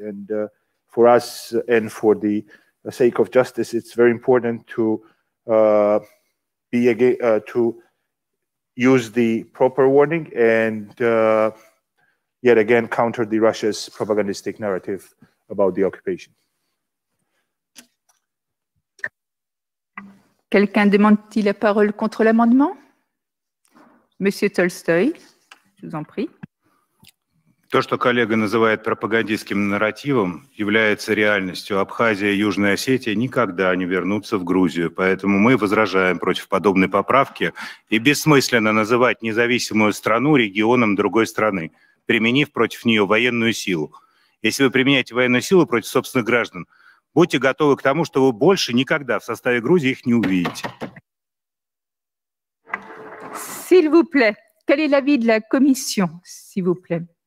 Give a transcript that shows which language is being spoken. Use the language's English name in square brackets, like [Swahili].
[English] And for us and for the sake of justice, it's very important to to use the proper wording and yet again counter the Russia's propagandistic narrative about the occupation. [French] Quelqu'un demande-t-il la parole contre l'amendement? Monsieur Tolstoy, je vous en prie. [Russian] То, что коллега называет пропагандистским нарративом, является реальностью. Абхазия и Южная Осетия никогда не вернутся в Грузию. Поэтому мы возражаем против подобной поправки и бессмысленно называть независимую страну регионом другой страны, применив против нее военную силу. Если вы применяете военную силу против собственных граждан, будьте готовы к тому, что вы больше никогда в составе Грузии их не увидите. [French] S'il vous plaît, quel est l'avis de la commission, s'il vous plaît?